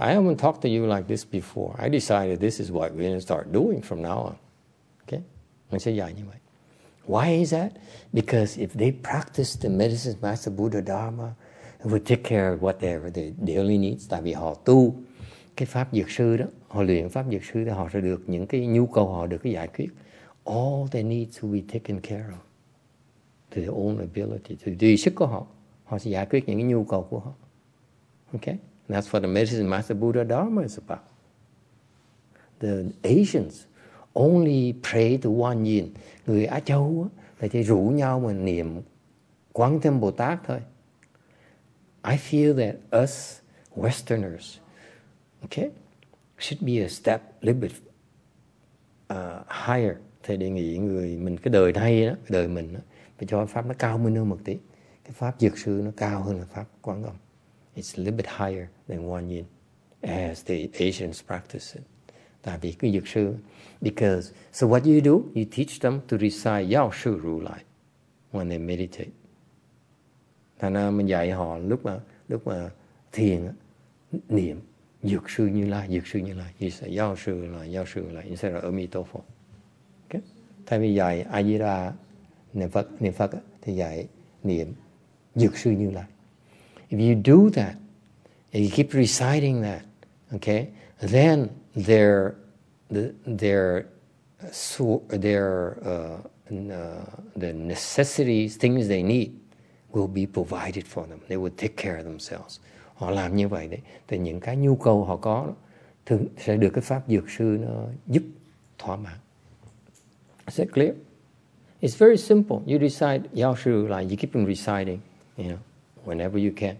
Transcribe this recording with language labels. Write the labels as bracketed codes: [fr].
[en] I haven't talked to you like this before. I decided this is what we're going to start doing from now on. [vi] Mình sẽ dạy như vậy. [en] Why is that? Because if they practice the medicine master Buddha Dharma, they will take care of whatever they daily needs. [vi] Tại vì họ tu cái pháp dược sư đó, họ luyện pháp dược sư thì họ sẽ được những cái nhu cầu họ được giải quyết. [en] All their needs will be taken care of to their own ability. [vi] Tùy sức của họ, họ sẽ giải quyết những cái nhu cầu của họ. [en] Okay? And that's what the medicine master Buddha Dharma is about. The Asians only pray to one yin. [vi] Người Á Châu á, là chỉ rủ nhau mà niệm Quán Thế Âm Bồ Tát thôi. [en] I feel that us Westerners, okay, should be a step a little bit higher. [vi] Thầy đề nghị người mình cái đời này đó, cái đời mình đó, phải cho pháp nó cao hơn một tí. Cái pháp dược sư nó cao hơn là pháp Quán Âm. [en] It's a little bit higher than one yin as the Asians practice it. [vi] Tại vì cái dược sư, [en] because so what you do, you teach them to recite Yao Shu Ru Lai when they meditate. [vi] Thành ra mình dạy họ lúc mà thiền niệm dược sư Như Lai, dược sư Như Lai, [en] recite Yao Shu Ru Lai, Yao Shu Ru Lai instead of Amitabha. Okay. [vi] Thay vì dạy A Di Đà niệm Phật thì dạy niệm dược sư Như Lai. [en] If you do that, if you keep reciting that, okay, then their necessities, things they need, will be provided for them. They will take care of themselves. [vi] Họ làm như vậy đấy. Thì những cái nhu cầu họ có thường sẽ được cái pháp dược sư nó giúp thỏa mãn. [en] Is that clear? It's very simple. You recite Yao Shu Lai, you keep on reciting, you know, whenever you can.